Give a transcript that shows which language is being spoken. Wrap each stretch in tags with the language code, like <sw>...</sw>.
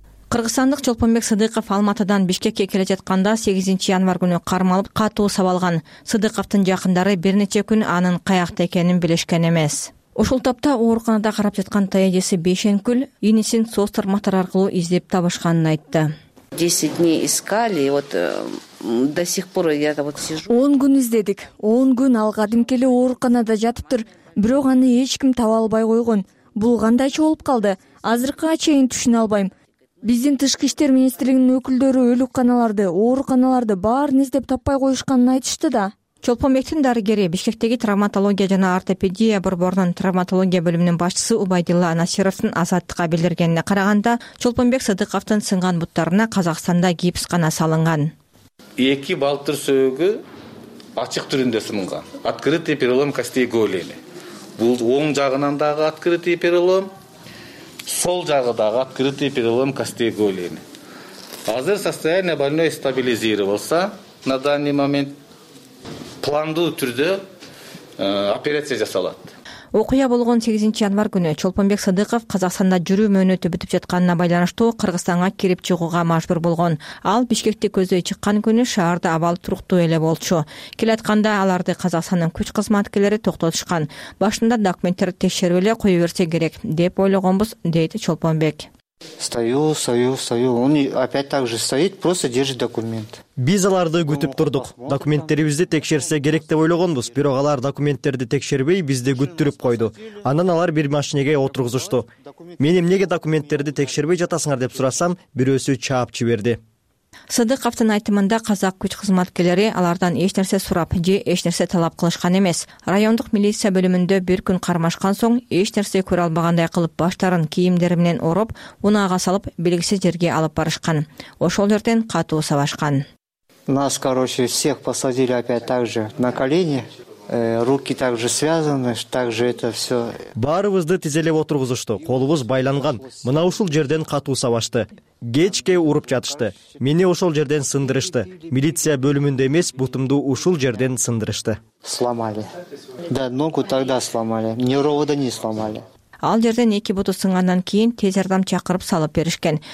<ky>Кыргызстандык Чолпонбек Сыдыков Алматыдан Бишкекке келе жатканда 8 январ күнү кармалып катуу сабалган. Сыдыковтун жакындары бир нече күн анын каякта экенин билишкен эмес. Ушул тапта ооруканада карап жаткан таежеси Бейшенкүл инисин соц тармактар аркылуу издеп табышканын айтты.</ky> <ru>10 дней искали, вот до сих пор я вот сижу.</ru> <ky>10 күн издедик. 10 күн ал кадимки эле ооруканада жатыптыр, бирок аны эч ким таба албай койгон. Бул кандайча болуп калды? Азыркыга чейин түшүнө албайм. Биздин тышкы иштер министрлигинин өкүлдөрү өлүкканаларды, ооруканаларды баарын издеп таппай коюшканын айтышты да. Чолпонбектин дарыгери Бишкектеги травматология жана ортопедия борборунун травматология бөлүмүнүн башчысы Убайдилла Насировдун Азаттыкка билдиргенине караганда, Чолпонбек Сыдыковдун сынган буттарына Казакстанда гипс гана салынган. Эки балтыр сөөгү ачык түрүндө сынган.</ky> <ru>Открытый перелом костей голени.</ru> <ky>Бул оң жагынан дагы</ky> <ru>открытый перелом.</ru> <ky>Сол жагы дагы</ky> <ru>открытый перелом костей голени. Азыр состояние больной стабилизировался на данный момент.</ru> <ky>Пландуу түрдө операция жасалат. Окуя болгон 8 январ күнү Чолпонбек Сыдыков Казакстанда жүрүү мөөнөтү бүтүп жатканына байланыштуу Кыргызстанга кирип чыгууга мажбур болгон. Ал Бишкекте көздөй чыккан күнү шаарда абал туруктуу эле болчу. Келатканда аларды Казакстандын күч кызматкерлери токтотушкан. Башында документтерди текшерип эле кое берсе керек деп ойлогонбуз, дейт Чолпонбек.</ky> <ru>Стою. Он опять так же стоит, просто держит документ.</ru> <ky>Биз аларды күтүп турдук. Документтерибизди текшерсе керек деп ойлогонбуз, бирок алар документтерди текшербей бизди күттүрүп койду. Анан алар бир машинеге отургузушту. Мен эмнеге документтерди текшербей жатасыңар деп сурасам, бирөөсү чаап жиберди. Садыковтун айтымында казак күч кызматкерлери алардан эч нерсе сурап же эч нерсе талап кылышкан эмес. Райондук милиция бөлүмүндө бир күн кармашкан соң эч нерсе көрө албагандай кылып баштарын кийимдери менен ороп, унаага салып белгисиз жерге алып барышкан. Ошол жерден катуу сабашкан.</ky> <ru>Нас, короче, всех посадили опять так же на колени. Руки также связаны, также это все.</ru> <ky>Баарыбызды тизелеп отургузушту, колубуз байланган. Мына ушул жерден катуу сабашты. Кечке уруп жатышты. Мени ошол жерден сындырышты. Милиция бөлүмүндө эмес, бутумду ушул жерден сындырышты.</ky> <ru>Сломали. Да, ногу тогда сломали. Неровода не сломали.</ru> <ky>Ал жерден эки буту сынгандан кийин тез жардам чакырып салып беришкен.</ky>